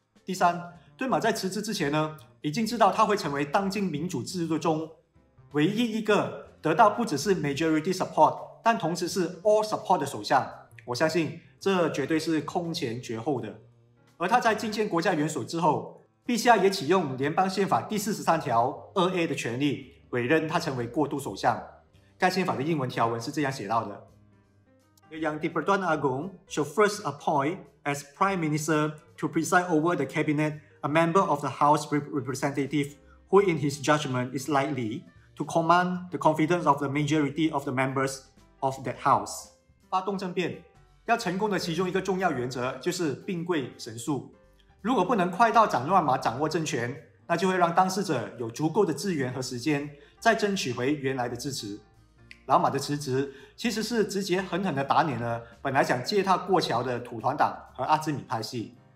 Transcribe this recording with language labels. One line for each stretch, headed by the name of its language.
Chinese: 第三，顿马在辞职之前呢，已经知道他会成为当今民主制度中唯一一个得到不只是
English: majority support
Chinese: 但同时是
English: all support
Chinese: 的首相，我相信这绝对是空前绝后的。而他在觐见国家元首之后，陛下也启用联邦宪法第43条 2A 的权利委任他成为过渡首相。该宪法的英文条文是这样写到的
English: ：Yang di-Pertuan Agong shall first appoint as Prime Minister to preside over the Cabinet a member of the House Representative who, in his judgment, is likely to command the confidence of the majority of the members of that House。
Chinese: 发动政变要成功的其中一个重要原则就是兵贵神速。如果不能快到斩乱麻掌握政权，那就会让当事者有足够的资源和时间再争取回原来的支持。老马的辞职其实是直接狠狠地打脸了本来想借他过桥的土团党和阿兹米派系，